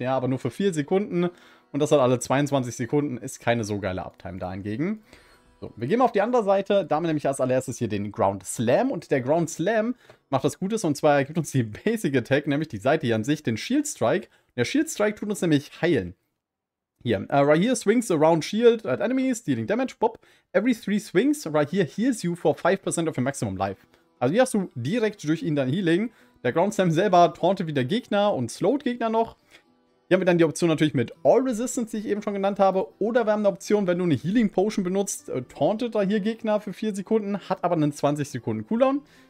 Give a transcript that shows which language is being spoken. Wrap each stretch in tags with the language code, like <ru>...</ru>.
<de>Ja, aber nur für 4 Sekunden und das hat alle 22 Sekunden, ist keine so geile Uptime da hingegen. So, wir gehen mal auf die andere Seite, da haben wir nämlich als allererstes hier den Ground Slam und der Ground Slam macht was Gutes und zwar gibt uns die Basic Attack, nämlich die Seite hier an sich, den Shield Strike. Der Shield Strike tut uns nämlich heilen.</de> <en>Hier, Rahir swings around shield at enemies, dealing damage, pop. Every 3 swings, Rahir heals you for 5% of your maximum life.</en> <de>Also hier hast du direkt durch ihn dein Healing. Der Ground Slam selber taunte wieder Gegner und slowt Gegner noch. Hier haben wir dann die Option natürlich mit All Resistance, die ich eben schon genannt habe. Oder wir haben eine Option, wenn du eine Healing Potion benutzt, tauntet da hier Gegner für 4 Sekunden, hat aber einen 20 Sekunden Cooldown.</de>